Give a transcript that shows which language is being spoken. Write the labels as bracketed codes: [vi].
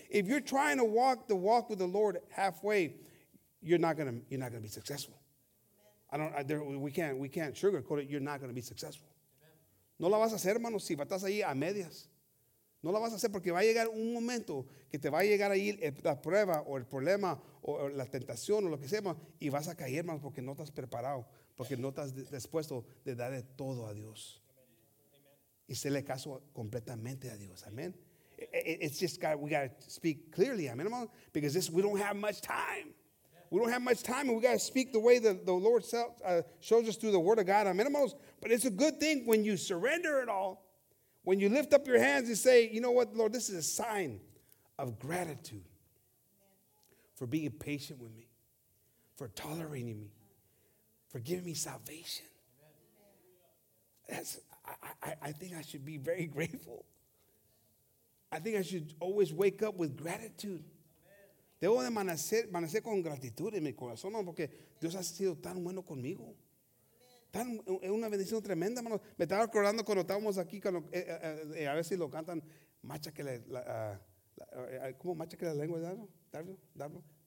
[en] If you're trying to walk the walk with the Lord halfway, you're not gonna be successful. We can't sugarcoat it. You're not gonna be successful. [es] No la vas a hacer, hermanos, si estás ahí a medias. No la vas a hacer porque va a llegar un momento que te va a llegar ahí la prueba o el problema o la tentación o lo que sea y vas a caer, hermano, porque no estás preparado, porque no estás dispuesto de darle todo a Dios. Amen. Y hacerle caso completamente a Dios. Amén. [en] It's just we got to speak clearly, amen, hermano, because we don't have much time. We don't have much time and we got to speak the way that the Lord shows us through the word of God, amen, hermano. But it's a good thing when you surrender it all. When you lift up your hands and say, you know what, Lord, this is a sign of gratitude for being patient with me, for tolerating me, for giving me salvation. I think I should be very grateful. I think I should always wake up with gratitude. [es] Debo de amanecer con gratitud en mi corazón, porque Dios ha sido tan bueno conmigo. Es una bendición tremenda, hermano. Me estaba acordando cuando estábamos aquí, a ver si lo cantan, machaque la lengua, Darlo.